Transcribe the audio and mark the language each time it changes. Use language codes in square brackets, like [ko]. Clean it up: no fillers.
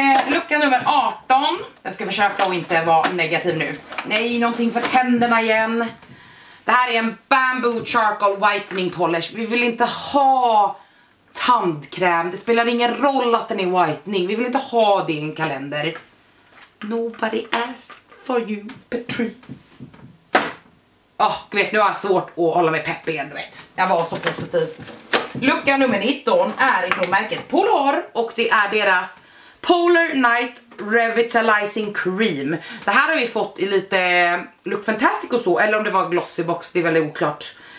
[sv] Lucka nummer 18. Jag ska försöka att inte vara negativ nu. Nej, någonting för tänderna igen. Det här är en Bamboo Charcoal Whitening Polish. Vi vill inte ha tandkräm. Det spelar ingen roll att den är whitening. Vi vill inte ha det i en kalender. [en] Nobody asked for you, Patrice. [sv] Du vet, nu har jag svårt att hålla mig peppig igen, du vet. Jag var så positiv. Lucka nummer 19 är ifrån märket Polar. Och det är deras Polar Night Revitalizing Cream. Det här har vi fått i lite Look Fantastic och så, eller om det var Glossy Box, det är väldigt oklart.